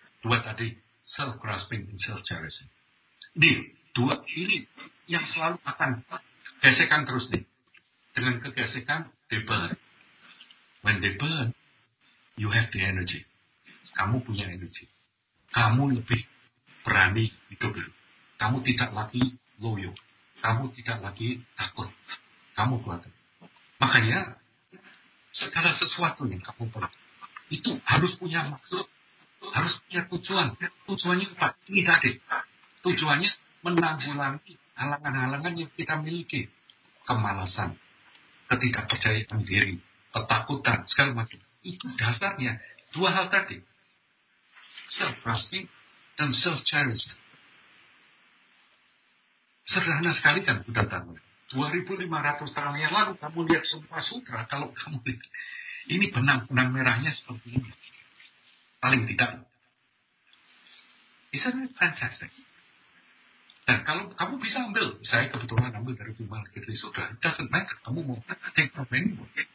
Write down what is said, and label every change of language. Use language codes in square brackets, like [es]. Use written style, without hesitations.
[id] Dua tadi, self-grasping and self-cherishing. Ini, dua ini yang selalu akan gesekan terus nih. Dengan kegesekan, [en] they burn. When they burn, you have the energy. [id] Kamu punya energy. Kamu lebih berani hidup. Kamu tidak lagi loyo. Kamu tidak lagi takut. Kamu kuat. Makanya, segala sesuatu yang kamu perlu, itu harus punya maksud. Harus punya tujuan. Tujuannya apa? Ini tadi. Tujuannya menanggulangi halangan-halangan yang kita miliki. Kemalasan, ketidakpercayaan diri, ketakutan, segala macam. Itu dasarnya dua hal tadi. Self-trusting dan self-cherishing. Sederhana sekali kan Buddha Dharma. 2500 tahun yang lalu kamu lihat semua sutra. Kalau kamu lihat, ini benang-benang merahnya seperti ini. Paling tidak. [en] Isn't it fantastic? [id] Dan kalau kamu bisa ambil, saya kebetulan ambil dari Vimalakirti Sutra, [en] it doesn't matter, [id] kamu mau [en] take from anyone.